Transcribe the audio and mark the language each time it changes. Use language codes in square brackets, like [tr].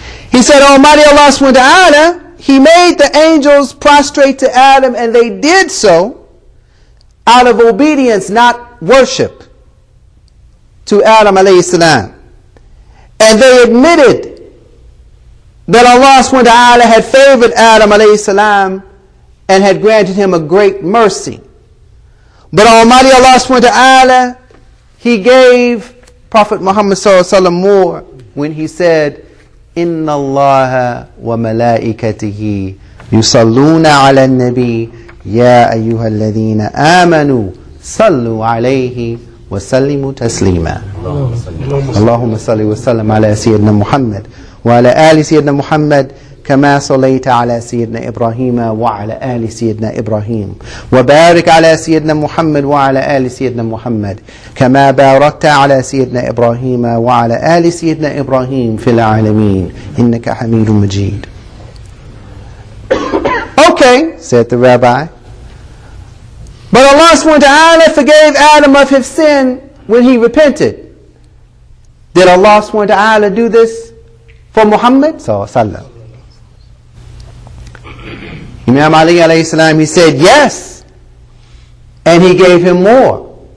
[en] He said, Almighty Allah subhanahu wa ta'ala, he made the angels prostrate to Adam, and they did so out of obedience, not worship, to Adam alayhi salam. And they admitted that Allah subhanahu wa ta'ala had favored Adam alayhi salam and had granted him a great mercy. But Almighty Allah subhanahu wa ta'ala, He gave Prophet Muhammad sallallahu alayhi wa sallam more when He said, [ar] إِنَّ اللَّهَ وَمَلَائِكَتِهِ يُصَلُّونَ عَلَى النَّبِيِّ يَا أَيُّهَا الَّذِينَ آمَنُوا صَلُّوا عَلَيْهِ وَسَلِّمُوا تَسْلِيمًا اللهم صل وسلم على سيدنا محمد وعلى آل سيدنا محمد كما صليت على سيدنا إبراهيم وعلى آل سيدنا إبراهيم وبارك على سيدنا محمد وعلى آل سيدنا محمد كما باركت على سيدنا إبراهيم وعلى آل سيدنا إبراهيم في العالمين إنك حميد مجيد. [en] Okay, said the rabbi. But Allah subhanahu wa ta'ala forgave Adam of his sin when he repented. Did Allah subhanahu wa ta'ala do this for Muhammad sallallahu alayhi wa sallam? Imam Ali alayhi salam, he said yes, and he gave him more.